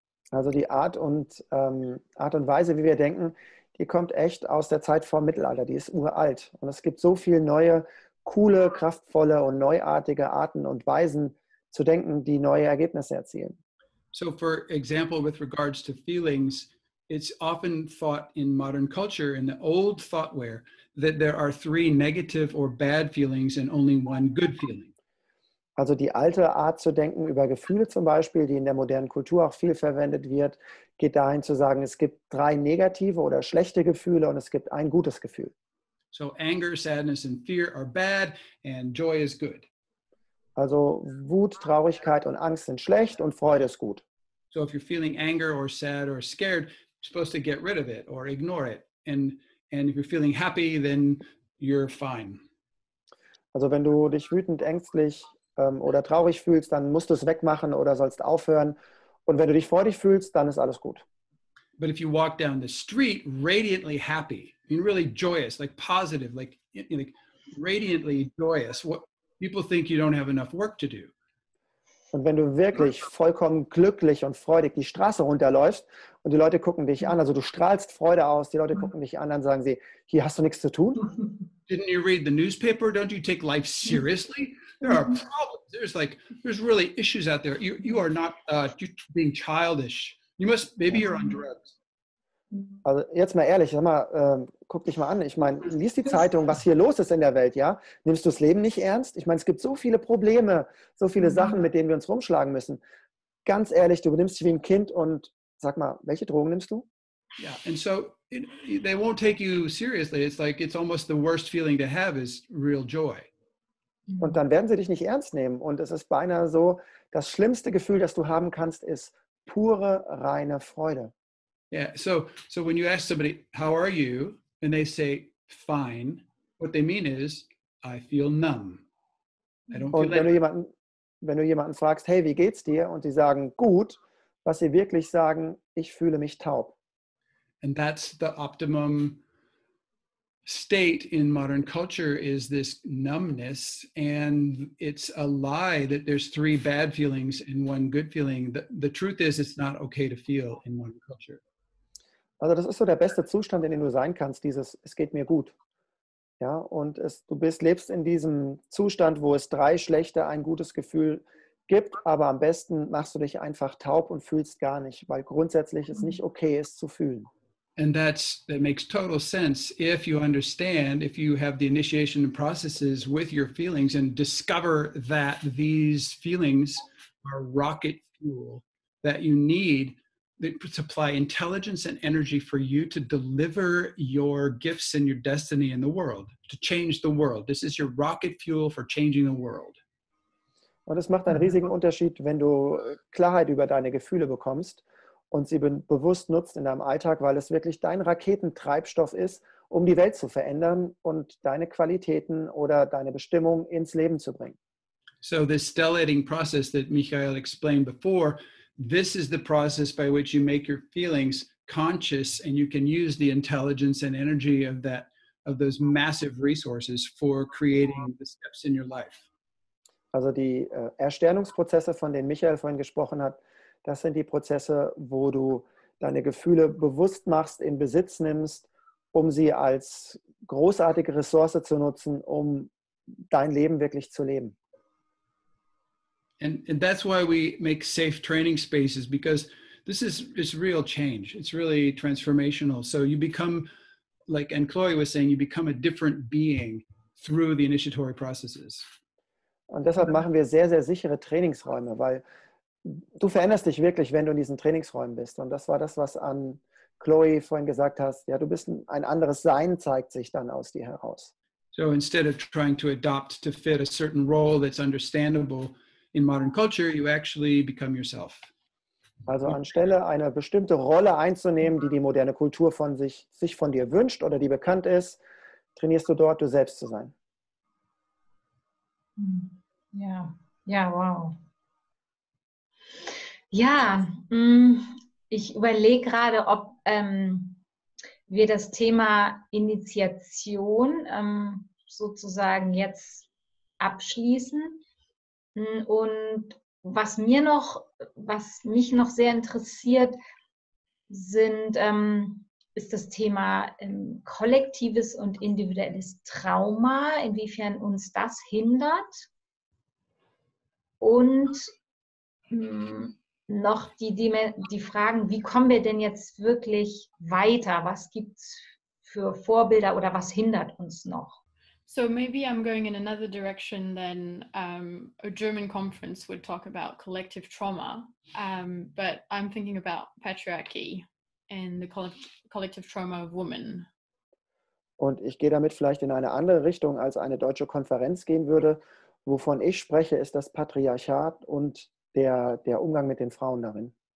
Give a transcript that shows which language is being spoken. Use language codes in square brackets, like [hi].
[de] Also die Art und Weise, wie wir denken, die kommt echt aus der Zeit vor Mittelalter, die ist uralt. Und es gibt so viele neue, coole, kraftvolle und neuartige Arten und Weisen zu denken, die neue Ergebnisse erzielen. [en] So for example, with regards to feelings, it's often thought in modern culture, in the old thoughtware, that there are three negative or bad feelings and only one good feeling. [de] Also die alte Art zu denken über Gefühle zum Beispiel, die in der modernen Kultur auch viel verwendet wird, geht dahin zu sagen, es gibt drei negative oder schlechte Gefühle und es gibt ein gutes Gefühl. [en] So anger, sadness and fear are bad and joy is good. [de] Also Wut, Traurigkeit und Angst sind schlecht und Freude ist gut. [en] So if you're feeling anger or sad or scared, you're supposed to get rid of it or ignore it. And if you're feeling happy, then you're fine. [de] Also wenn du dich wütend, ängstlich oder traurig fühlst, dann musst du es wegmachen oder sollst aufhören. Und wenn du dich freudig fühlst, dann ist alles gut. [en] But if you walk down the street radiantly happy, I mean really joyous, like positive, like radiantly joyous, what people think you don't have enough work to do. [de] Und wenn du wirklich vollkommen glücklich und freudig die Straße runterläufst und die Leute gucken dich an, also du strahlst Freude aus, die Leute gucken dich an, dann sagen sie, hier hast du nichts zu tun. [en] Didn't you read the newspaper? Don't you take life seriously? There are problems. There's really issues out there. You are not you're being childish. You must, maybe you're on drugs. [de] Also jetzt mal ehrlich, sag mal, guck dich mal an. Ich meine, lies die Zeitung, was hier los ist in der Welt, ja? Nimmst du das Leben nicht ernst? Ich meine, es gibt so viele Probleme, so viele Sachen, mit denen wir uns rumschlagen müssen. Ganz ehrlich, du benimmst dich wie ein Kind und sag mal, welche Drogen nimmst du? [en] Ja, yeah, and so they won't take you seriously. It's like it's almost the worst feeling to have is real joy. [de] Und dann werden sie dich nicht ernst nehmen. Und es ist beinahe so, das schlimmste Gefühl, das du haben kannst, ist pure, reine Freude. [en] Yeah, so when you ask somebody, how are you? And they say, fine. What they mean is, I feel numb. I don't feel like... [de] wenn du jemanden fragst, hey, wie geht's dir? Und sie sagen, gut. Was sie wirklich sagen, ich fühle mich taub. [en] And that's the optimum state in modern culture is this numbness, and it's a lie that there's three bad feelings and one good feeling. The truth is, it's not okay to feel in modern culture. [de] Also das ist so der beste Zustand, in dem du sein kannst, dieses es geht mir gut. Ja, und es, du bist, lebst in diesem Zustand, wo es drei schlechte, ein gutes Gefühl gibt, aber am besten machst du dich einfach taub und fühlst gar nicht, weil grundsätzlich es nicht okay ist zu fühlen. [en] And that makes total sense if you understand, if you have the initiation processes with your feelings and discover that these feelings are rocket fuel that you need that supply intelligence and energy for you to deliver your gifts and your destiny in the world, to change the world. This is your rocket fuel for changing the world. [de] Und es macht einen riesigen Unterschied, wenn du Klarheit über deine Gefühle bekommst und sie bewusst nutzt in deinem Alltag, weil es wirklich dein Raketentreibstoff ist, um die Welt zu verändern und deine Qualitäten oder deine Bestimmung ins Leben zu bringen. [en] So this stellating process that Michael explained before, this is the process by which you make your feelings conscious and you can use the intelligence and energy of that, of those massive resources for creating the steps in your life. [de] Also die Ersternungsprozesse, von denen Michael vorhin gesprochen hat, das sind die Prozesse, wo du deine Gefühle bewusst machst, in Besitz nimmst, um sie als großartige Ressource zu nutzen, um dein Leben wirklich zu leben. [en] And that's why we make safe training spaces, because this is, it's real change. It's really transformational. So you become, like Anne Chloe was saying, you become a different being through the initiatory processes. [de] Und deshalb machen wir sehr, sehr sichere Trainingsräume, weil du veränderst dich wirklich, wenn du in diesen Trainingsräumen bist. Und das war das, was an Chloe vorhin gesagt hast. Ja, du bist ein anderes Sein, zeigt sich dann aus dir heraus. [en] So instead of trying to adopt to fit a certain role that's understandable in modern culture, you actually become yourself. [de] Also anstelle eine bestimmte Rolle einzunehmen, die die moderne Kultur von sich von dir wünscht oder die bekannt ist, trainierst du dort, du selbst zu sein. Ja, wow. Ja, ich überlege gerade, ob wir das Thema Initiation sozusagen jetzt abschließen. Und was mich noch sehr interessiert, ist das Thema kollektives und individuelles Trauma, inwiefern uns das hindert. Und noch die Fragen, wie kommen wir denn jetzt wirklich weiter? Was gibt es für Vorbilder oder was hindert uns noch? [en] So maybe I'm going in another direction than a German conference would talk about collective trauma. But I'm thinking about patriarchy and the collective trauma of women. [de] Und ich gehe damit vielleicht in eine andere Richtung, als eine deutsche Konferenz gehen würde. Wovon ich spreche, ist das Patriarchat und der Umgang mit den Frauen darin.